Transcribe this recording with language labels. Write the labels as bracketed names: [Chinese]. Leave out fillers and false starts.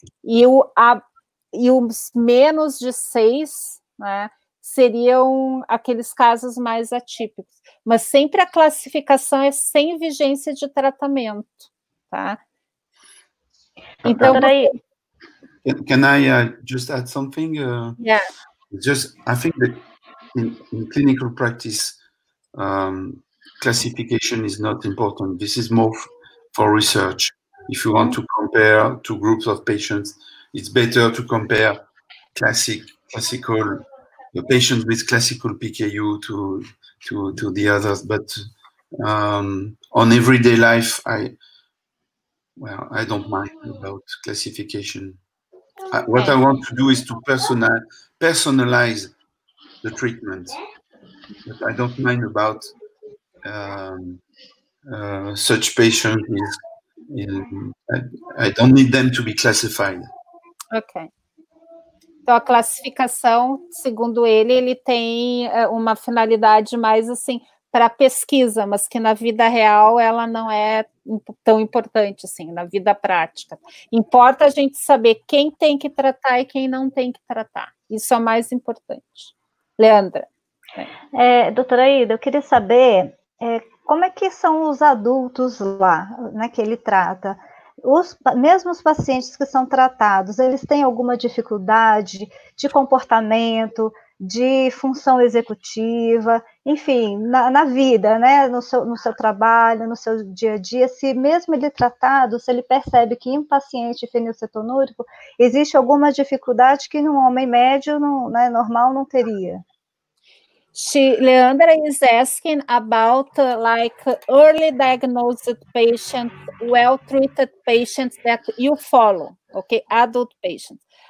[Portuguese] E os menos de 6, né, seriam aqueles casos mais atípicos. Mas sempre a classificação é sem vigência de tratamento, tá? Então, daí... [English] Can I just add something? I think that in clinical practice, classification is not important. This is more for research. If you want to compare two groups of patients, it's better to compare classical, the patients with classical PKU to the others. But on everyday life, I don't mind about classification. What I want to do is to personalize the treatment. But I don't mind about such patients with. I don't need them to be classified. Ok. [Portuguese] Então, a classificação, segundo ele, ele tem uma finalidade mais, assim, para pesquisa, mas que na vida real ela não é tão importante, assim, na vida prática. Importa a gente saber quem tem que tratar e quem não tem que tratar. Isso é o mais importante. Leandra. Doutora Ida, eu queria saber... Como é que são os adultos lá, né, que ele trata? Mesmo os pacientes que são tratados, eles têm alguma dificuldade de comportamento, de função executiva, enfim, na vida, né, no seu trabalho, no seu dia a dia, se mesmo ele tratado, se ele percebe que em um paciente fenilcetonúrico existe alguma dificuldade que num homem médio, né, normal, não teria? [English] Leandra is asking about early diagnosed patients, well treated patients that you follow, okay, adult patients.